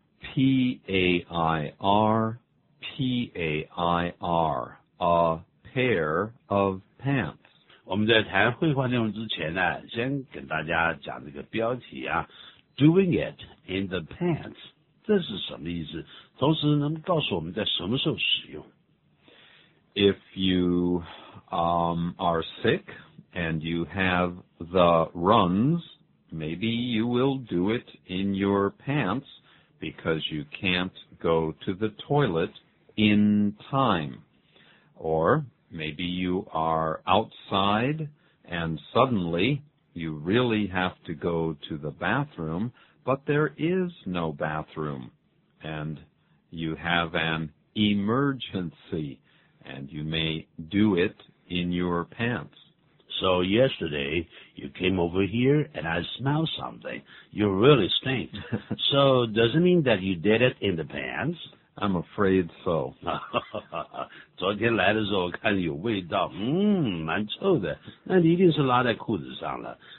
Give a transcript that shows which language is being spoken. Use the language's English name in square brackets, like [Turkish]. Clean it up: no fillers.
[English] ，p a i r p a i r， a pair of pants。 [Chinese] 我们在谈绘画内容之前呢，先跟大家讲这个标题啊 ， [English] doing it in the pants， [Chinese] 这是什么意思？同时能告诉我们在什么时候使用 [English] ？If you are sick and you have the runs, maybe you will do it in your pants because you can't go to the toilet in time. Or maybe you are outside and suddenly you really have to go to the bathroom, but there is no bathroom and you have an emergency and you may do itin your pants. So yesterday, you came over here and I smelled something. You really stink. So does it mean that you did it in the pants? I'm afraid so. [Chinese] 昨天来的时候我看有味道，蛮臭的。那你一定是拉在裤子上了。